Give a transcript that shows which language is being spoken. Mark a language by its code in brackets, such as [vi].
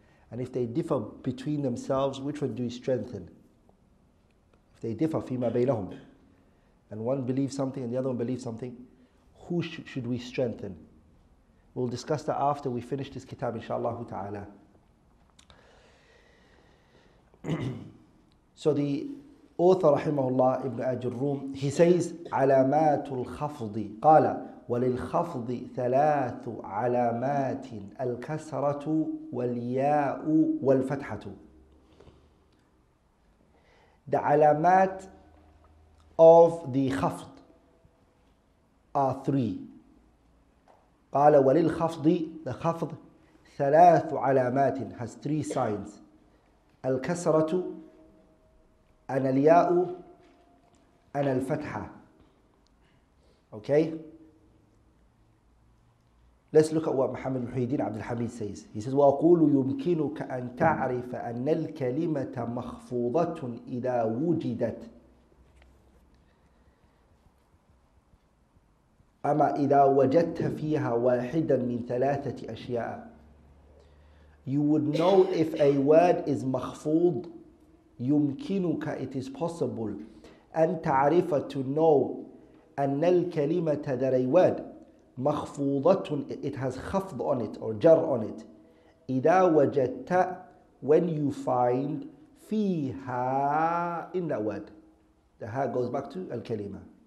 [en] And if they differ between themselves, which one do you strengthen? If they differ, fima baynahum, and one believes something and the other one believes something, who should we strengthen? We'll discuss that after we finish this kitab, inshallah ta'ala. So the author rahimahullah Ibn Ajurrum, he says [ar] علامات الخفض قال وللخفض ثلاث علامات الكسرة والياء والفتحة. [en] The علامات of the خفض are three. [ar] قال وللخفض the خفض ثلاث علامات [en] has three signs. [ar] الكسرة أنا الياء أنا الفتحة. [en] Okay, let's look at what Muhammad Muhyi Din Abdul Hamid says. He says [ar] وأقول يمكنك أن تعرف أن الكلمة مخفوضة إذا وجدت أما إذا وجدت فيها واحدا من ثلاثة أشياء. [en] You would know if a word is مخفوض. [ar] يمكنك, [en] it is possible, [ar] أن تعرف, [en] to know, [ar] أن الكلمة, [en] that a word, [ar] مخفوضة, [en] it has خفض on it or جر on it, [ar] إذا وجدت, [en] when you find, [ar] فيها, [en] in that word, the ها goes back to الكلمة,